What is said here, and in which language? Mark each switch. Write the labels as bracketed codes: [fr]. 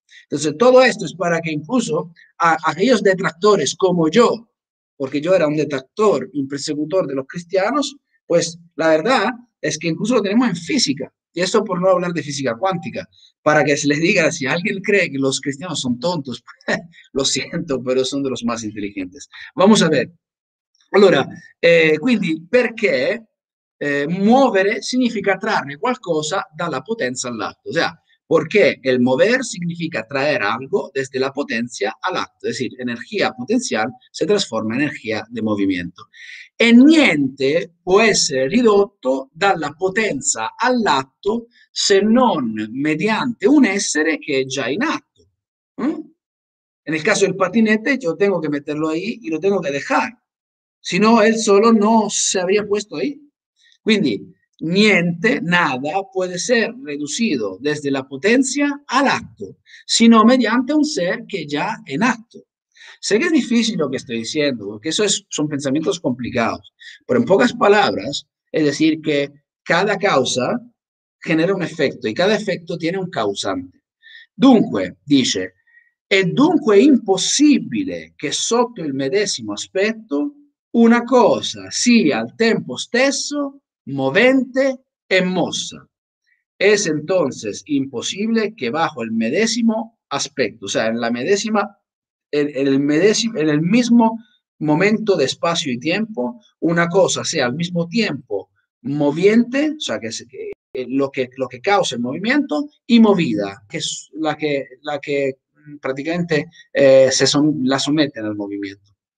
[es] Entonces, todo esto es para que incluso a aquellos detractores como yo, porque yo era un detractor y un persecutor de los cristianos, pues la verdad es que incluso lo tenemos en física. Y eso por no hablar de física cuántica, para que se les diga, si alguien cree que los cristianos son tontos, pues, lo siento, pero son de los más inteligentes. Vamos a ver. [it] Allora, quindi perché muovere significa trarre qualcosa dalla potenza all'atto? [es] O sea, [it] perché il mover significa trarre [es] algo desde [it] la potenza all'atto, [es] es decir, [it] energia potenziale se trasforma in energia di movimento. E niente può essere ridotto dalla potenza all'atto se non mediante un essere che è già in atto. Nel caso del [es] patinete, io tengo [it] che metterlo [es] ahí e lo tengo che dejar, se no, él solo non se habría puesto ahí. [it] Quindi, niente, [es] nada, [it] può essere [es] riducido desde [it] la potenza all'atto, se non mediante un [es] ser [it] che è già in atto. [es] Sé que es difícil lo que estoy diciendo, porque eso son pensamientos complicados, pero en pocas palabras, es decir, que cada causa genera un efecto y cada efecto tiene un causante. [it] Dunque, dice, è dunque impossibile che sotto il medesimo aspetto una cosa sia al tempo stesso movente e mossa. [es] Es entonces imposible que bajo el medesimo aspecto, o sea, en la medesima en el mismo momento de espacio y tiempo, una cosa sea al mismo tiempo moviente, o sea, lo que causa el movimiento, y movida, que es la que prácticamente la someten al movimiento.